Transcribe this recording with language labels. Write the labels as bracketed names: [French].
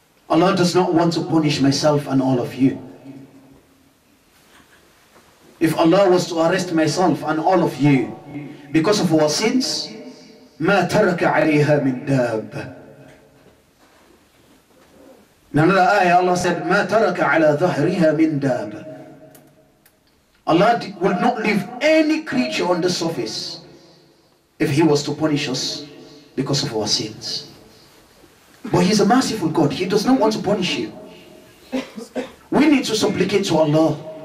[English] Allah does not want to punish myself and all of you. If Allah was to arrest myself and all of you because of our sins, [Arabic] ما ترك عليها من داب. [English] In another ayah, Allah said, [Arabic] ما ترك على ظهرها من داب. [English] Allah would not leave any creature on the surface if He was to punish us because of our sins. But He's a merciful God. He does not want to punish you. We need to supplicate to Allah.